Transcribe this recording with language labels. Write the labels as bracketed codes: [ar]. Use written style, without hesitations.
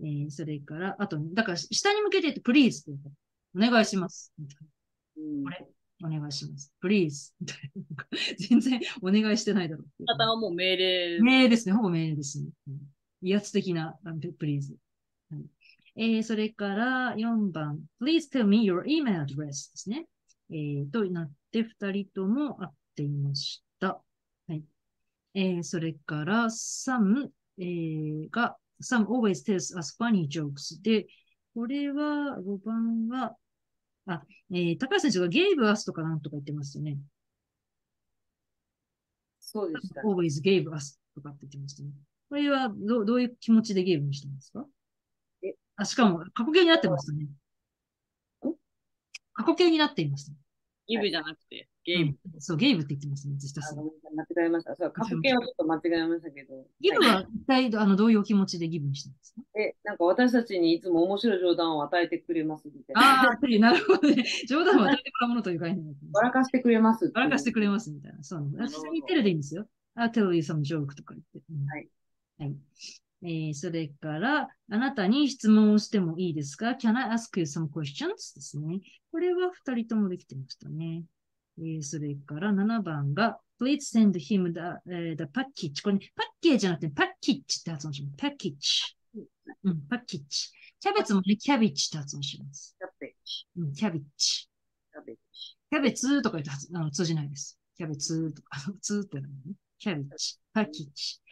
[ja] それから、あと、だから、下に向けて言って、please って言うと、お願いします。これ、お願いします。please。全然、お願いしてないだろうっていう方はもう命令。命令ですね。ほぼ命令ですね。威圧的な、please。それから、4番、 [en] please tell me your email address [ja] ですね。となって、2人とも会っていました。それから、 [en] Sam always tells us funny jokes. [ja] で、これは、5番は、高橋選手が gave us とかなんとか言ってますよね。そうでした。 [en] always gave us [ja] とかって言ってましたね。これはどういう気持ちで gave にしてますか？あ、しかも、過去形になってましたね。過去形になっていました。イブじゃなくて、ゲイブ。うん、そう、ゲイブって言ってますね、私たあ、ち。ごめんなさい、間違えました。そう、ギ過去形はちょっと間違えましたけど、はい。ブは一体どういうお気持ちでギブにしたんですか？え、なんか私たちにいつも面白い冗談を与えてくれますみたいああ、という、なるほどね。冗談を与えな。てもらうものという概念になってます笑かしてくれますっていね。笑かしう。てくれますみたいな。そうなの。なる私ほに言ってど。るでいいんですよ。 [en] I'll tell you some joke [ja] とか言って。うん、はい。それから、あなたに質問をしてもいいですか？ [en] Can I ask you some questions？ [ja] ですね。これは二人ともできてましたね。それから7番が、 [en] Please send him the package。 [ja] これ、ね、パッケージじゃなくてパッキッチって発音します。パッキッチ。うん、パッキッチ。キャベツもね、キャビッチって発音します。うん、キャビッチ。キャベツとか言ったら通じないです。キャベツとか、ツーってなるのね。キャビッチ。パッキッチ。